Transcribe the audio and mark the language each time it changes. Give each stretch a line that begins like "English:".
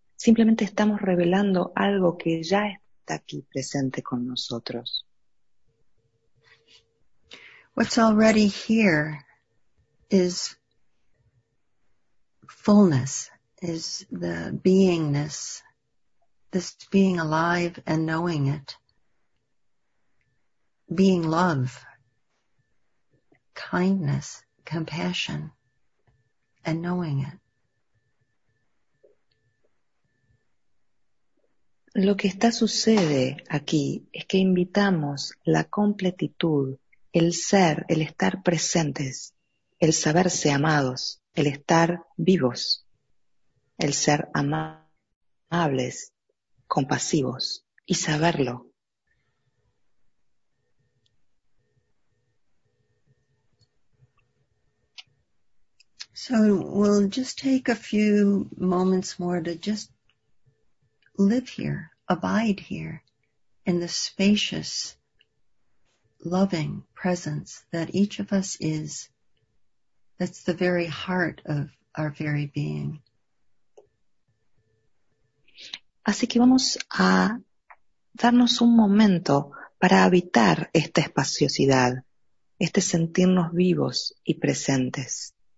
Spanish: Simplemente estamos revelando algo que ya está aquí presente con nosotros.
English: What's already here is fullness, is the beingness, this being alive and knowing it, being love, kindness, compassion, and knowing it.
Spanish: Lo que está sucede aquí es que invitamos la completitud, el ser, el estar presentes, el saberse amados, el estar vivos, el ser amables, compasivos y saberlo.
English: So we'll just take a few moments more to just live here, abide here in the spacious, loving presence that each of us is. That's the very heart of our very being.
Spanish: Así que vamos a darnos un momento para habitar esta espaciosidad, este sentirnos vivos y presentes.